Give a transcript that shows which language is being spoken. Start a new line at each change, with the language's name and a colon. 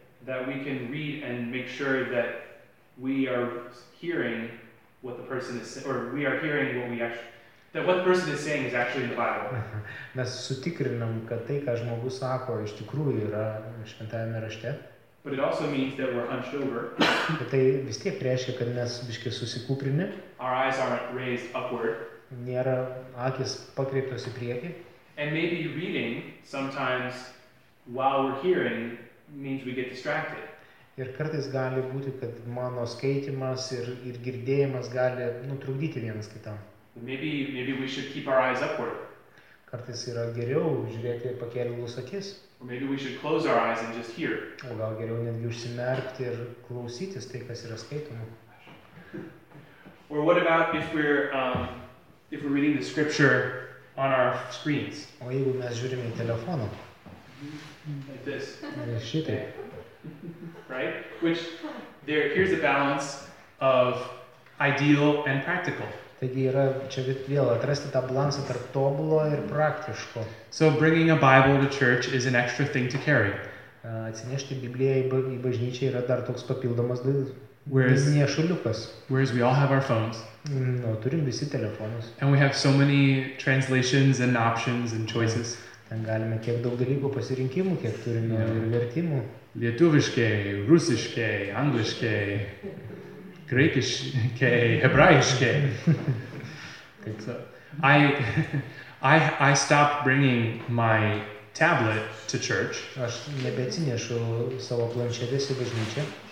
English: That we can read and make sure that we are hearing what the person is saying, or we are hearing what we actually, that what the person is saying is actually in the Bible.
Lithuanian: Mes sutikrinam, kad tai, ką žmogus sako, iš tikrųjų yra šventajame rašte.
English: But it also means that we're hunched over.
Lithuanian: Bet tai vis tiek reiškia, kad mes biškiai susikūprini.
English: Our eyes aren't raised upward.
Lithuanian: Nėra akis pakreiptos į priekį.
English: And maybe reading sometimes while we're hearing means we get distracted.
Lithuanian: Ir kartais gali būti, kad mano skaitimas ir girdėjimas gali trukdyti vienas kitam.
English: Maybe we should keep our eyes upward.
Lithuanian: Kartais yra geriau žiūrėti pakėlus akis.
English: Or maybe we should close our eyes and just hear.
Lithuanian: O gal geriau netgi užsimerkti ir klausytis tai, kas yra skaitoma.
English: Or what about if we're reading the scripture on our screens?
Lithuanian: O jeigu mes žiūrime į telefoną?
English: Like this.
Lithuanian: Šitai.
English: Right? Which there here's a balance of ideal and practical.
Lithuanian: Taigi yra čia vėl atrasti tą balansą tarp tobulo ir praktiško.
English: So bringing a Bible to church is an extra thing to carry.
Lithuanian: Atsinešti Bibliją į bažnyčią yra dar toks papildomas dalykas.
English: Whereas we all have our phones.
Lithuanian: Turim visi telefonus.
English: And we have so many translations and options and choices.
Lithuanian: Ten galime kiek daug dalykų pasirinkimų, kiek turime ir vertimų. Lietuviškai, rusiškai, angliškai, graikiškai, hebrajiškai.
English: So, I stopped bringing my tablet to church.
Lithuanian: Aš nebeatsinešu savo planšetės į bažnyčią.